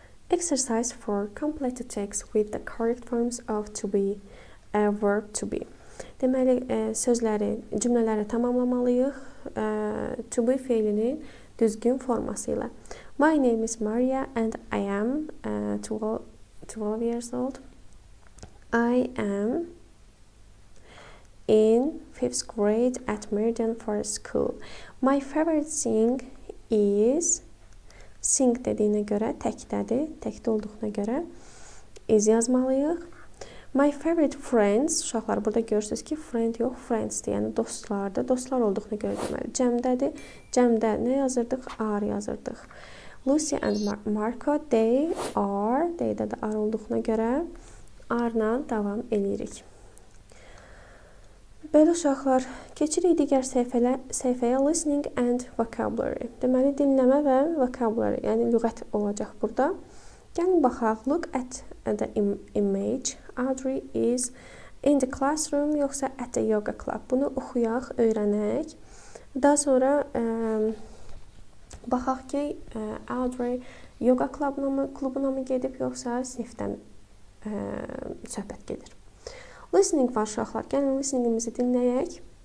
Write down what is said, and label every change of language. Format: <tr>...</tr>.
<en>Exercise for complete text with the correct forms of to be, a verb to be.</en> <az>Deməli, sözləri, cümlələri tamamlamalıyıq to be fiilinin düzgün forması ilə.</az> <en>My name is Maria and I am 12 years old. I am in 5th grade at Meridian Forest School. My favorite thing is...</en> <az>Sing dediyinə görə təkdədir, təkdə olduğuna görə is yazmalıyıq.</az> <en>My favorite friends,</en> <az>uşaqlar burada görürsünüz ki, friend yox, friends-dir, yəni dostlardır, dostlar olduğuna görə deməli, cəmdədir. Cəmdə nə yazırdıq? Are yazırdıq.</az> <en>Lucy and Marco, they are,</en> <az>they-də də are olduğuna görə are-la davam edirik. Belə uşaqlar, keçirik digər səhifəyə</az> <en>listening and vocabulary.</en> <az>Deməli, dinləmə və vocabulary, yəni lüğət olacaq burada. Gəlin baxaq,</az> <en>look at the image. Audrey is in the classroom, yoxsa at the yoga club.</en> <az>Bunu oxuyaq, öyrənək. Daha sonra baxaq ki, Audrey yoga klubuna mı gedib, yoxsa sinifdən söhbət gedir. Listening var uşaqlar. Gəlin listeningimizi dinləyək.</az>